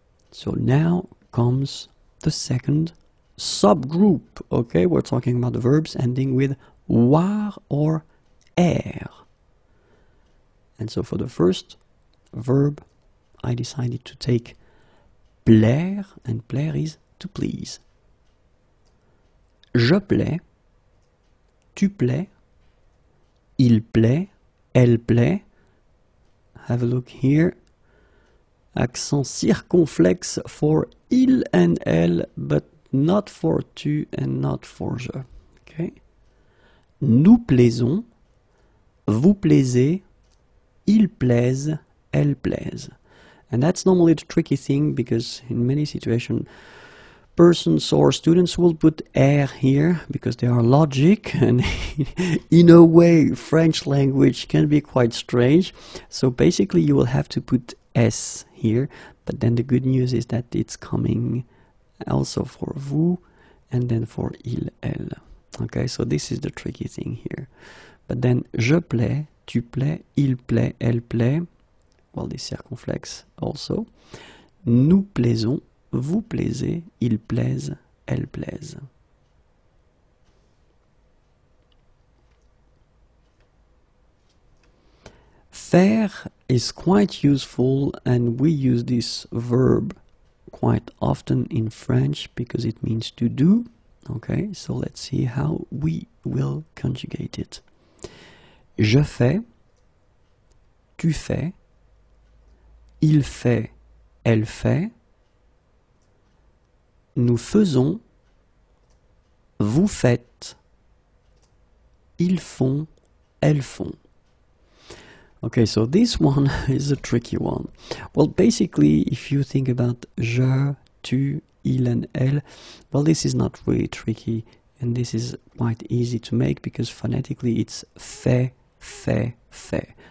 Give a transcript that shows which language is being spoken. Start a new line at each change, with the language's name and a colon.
English: So now comes the second subgroup. Okay, we're talking about the verbs ending with voir or air. And so for the first verb, I decided to take plaire, and plaire is to please.
French: Je plais, tu plais, il plaît, elle plaît.
English: Have a look here. Accent circonflexe for il and elle, but not for tu and not for je. Okay.
French: Nous plaisons, vous plaisez, il plaise, elle plaise.
English: And that's normally the tricky thing, because in many situations, persons or students will put air here because they are logic, and in a way French language can be quite strange. So basically you will have to put S here, but then the good news is that it's coming also for vous and then for il, elle. Okay, so this is the tricky thing here. But then
French: je plais, tu plais, il plaît, elle plaît.
English: Well, this circonflexe also.
French: Nous plaisons, vous plaisez, il plaise, elle plaise.
English: Faire is quite useful, and we use this verb quite often in French because it means to do. Okay, so let's see how we will conjugate it.
French: Je fais, tu fais, il fait, elle fait. Nous faisons, vous faites, ils font, elles font.
English: Okay, so this one is a tricky one. Well, basically, if you think about je, tu, il and elle, well, this is not really tricky, and this is quite easy to make because phonetically it's fait, fait, fait.